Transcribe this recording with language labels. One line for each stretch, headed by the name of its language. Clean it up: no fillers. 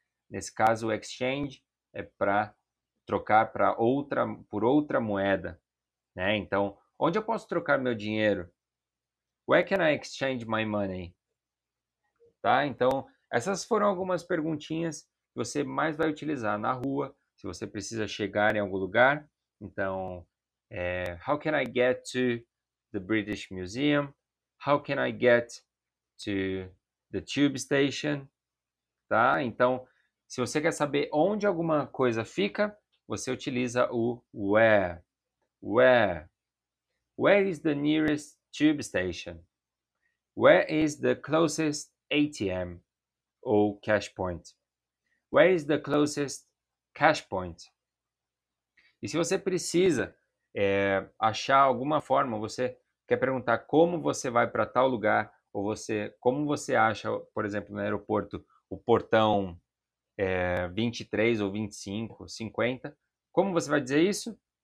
Portuguese: Nesse caso, o exchange é para trocar por outra moeda, né? Então, onde eu posso trocar meu dinheiro?
English: Where can I exchange my money?
Portuguese: Tá? Então, essas foram algumas perguntinhas que você mais vai utilizar na rua, se você precisa chegar em algum lugar.
English: Então, how can I get to the British Museum? How can I get to the tube station?
Portuguese: Tá? Então, se você quer saber onde alguma coisa fica, você utiliza o where.
English: Where? Where is the nearest tube station? Where is the closest ATM ou cash point? Where is the closest cash point?
Portuguese: E se você precisa achar alguma forma, você quer perguntar como você vai para tal lugar, ou você como você acha, por exemplo, no aeroporto, o portão 23 ou 25, 50, como você vai dizer isso?